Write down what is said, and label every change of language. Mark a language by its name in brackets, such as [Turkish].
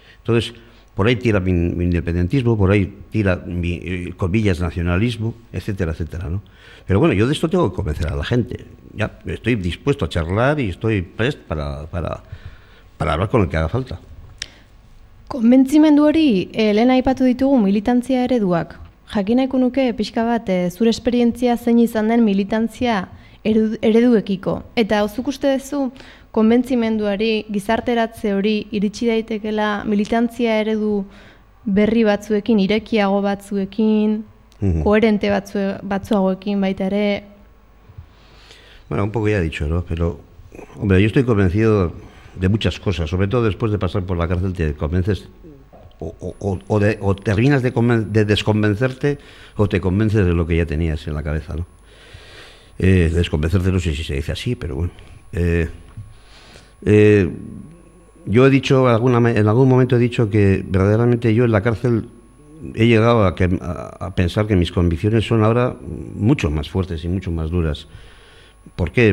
[Spanish] Entonces, por ahí tira mi independentismo, por ahí tira mi, comillas, nacionalismo, etcétera, etcétera, ¿no? Pero bueno, yo de esto tengo que convencer a la gente. Ya estoy dispuesto a charlar y estoy presto para hablar con el que haga falta. [Basque] Konbentzimendu hori, lehen aipatu ditugu militantzia ereduak. Jakin nahiko nuke, pixka bat, zure esperientzia zein izan den militantzia ereduekiko. Eta zuk uste duzu, konbentzimenduari, gizarteratze hori, iritsi daitekela militantzia eredu berri batzuekin, irekiago batzuekin, koherente batzuagoekin baita ere. [Spanish] Bueno, un poco ya he dicho, ¿no? Pero, hombre, yo estoy convencido de muchas cosas, sobre todo después de pasar por la cárcel te convences o terminas de desconvencerte o te convences de lo que ya tenías en la cabeza, ¿no? Desconvencerte no sé si se dice así, pero bueno. Yo he dicho, en algún momento he dicho que verdaderamente yo en la cárcel he llegado a pensar que mis convicciones son ahora mucho más fuertes y mucho más duras. ¿Por qué?